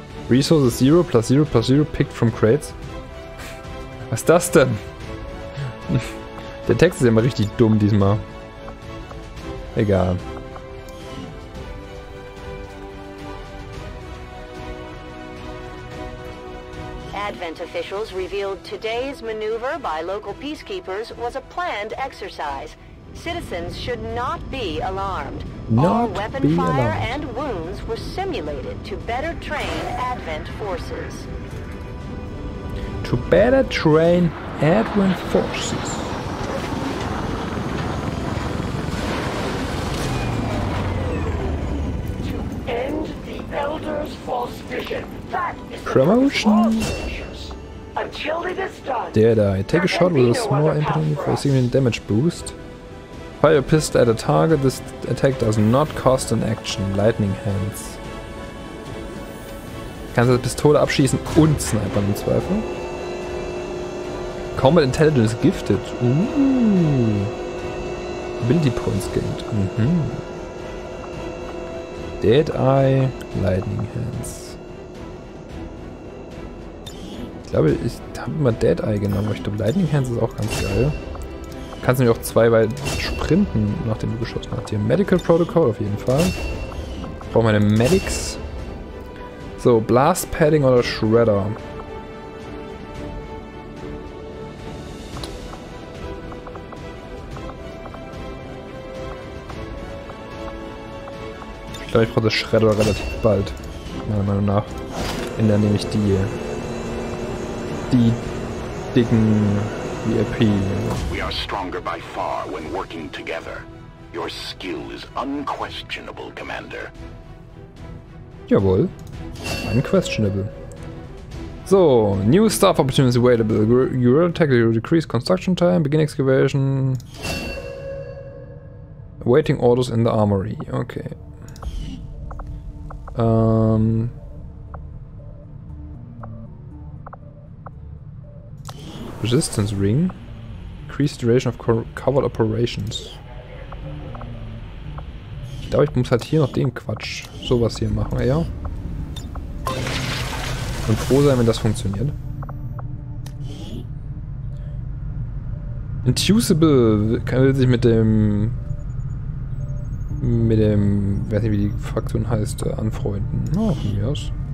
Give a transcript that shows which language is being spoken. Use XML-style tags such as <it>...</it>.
<en>Resources 0 plus 0 plus 0 picked from crates.</en> <de>Was ist das denn? Der Text ist ja immer richtig dumm diesmal. Egal.</de> <en>Advent officials revealed today's maneuver by local peacekeepers was a planned exercise. Citizens should not be alarmed. All weapon fire and wounds were simulated to better train Advent forces. To better train Advent forces. To end the Elder's false vision. That is promotion. Until it is done. There, there. Take a shot with a small impotent for a significant damage boost. Fire a pistol at a target. This attack does not cost an action. Lightning hands.</en> <de>Kannst du die Pistole abschießen und snipern im Zweifel?</de> <en>Combat Intelligence gifted. Ability Points gained. Dead Eye, Lightning Hands.</en> <de>Ich glaube, ich habe immer Dead Eye genommen. Ich glaube, Lightning Hands ist auch ganz geil. Du kannst nämlich auch zwei weit sprinten, nachdem du geschossen hast. Hier Medical Protocol auf jeden Fall. Ich brauche meine Medics. So, Blast Padding oder Shredder. Ich glaube, ich brauche das Shredder relativ bald, meiner Meinung nach. In der nehme ich die dicken VIP.</de> <en>We are stronger by far when working together. Your skill is unquestionable, Commander.</en> <de>Jawohl.</de> <en>Unquestionable. So, new staff opportunities available. Your attack will decrease construction time, begin excavation. Waiting orders in the armory. Okay. Resistance Ring. Increased Duration of Covered Operations.</en> <de>Ich glaube, ich muss halt hier noch den Quatsch sowas hier machen, ja. Und froh sein, wenn das funktioniert. Intuisible kann sich mit dem... mit dem, weiß nicht wie die Fraktion heißt, anfreunden. Oh, von mir aus.</de>